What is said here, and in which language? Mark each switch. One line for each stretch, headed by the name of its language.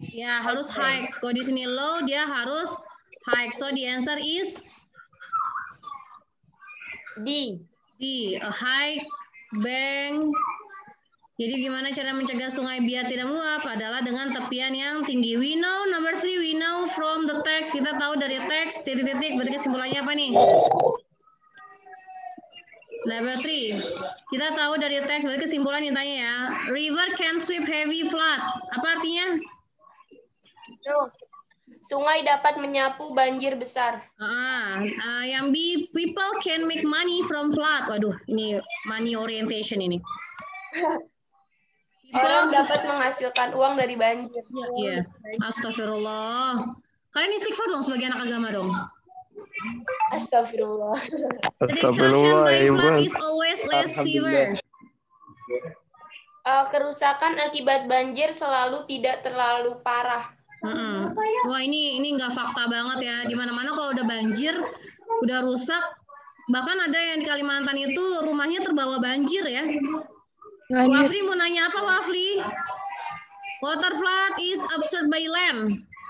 Indonesian: Ya, harus high. Kalau di sini low, dia harus high.
English: So the answer is D. D, a high bank.
Indonesian: Jadi gimana cara mencegah sungai biar tidak meluap adalah dengan tepian yang tinggi.
English: We know number three, we know from the text.
Indonesian: Kita tahu dari teks, titik-titik, berarti kesimpulannya apa nih?
English: Number three,
Indonesian: kita tahu dari teks, berarti kesimpulannya tanya ya.
English: River can sweep heavy flood.
Indonesian: Apa artinya?
English: No.
Indonesian: Sungai dapat menyapu banjir besar. Yang B,
English: people can make money from flood.
Indonesian: Waduh, ini
English: money orientation
Indonesian: ini. Orang dapat menghasilkan uang dari banjir. Iya. Astagfirullah. Kalian istighfar dong sebagai anak agama dong. Astagfirullah. Astagfirullah.
English: The destruction by flood is always less severe.
Indonesian: Kerusakan akibat banjir selalu tidak terlalu parah. Mm-hmm. Wah, ini nggak fakta banget ya. Di mana-mana kalau udah banjir, udah rusak. Bahkan ada yang di Kalimantan itu rumahnya terbawa banjir ya. Lanjut. Wafli mau nanya apa, Wafli?
English: Water flood is absorbed by land.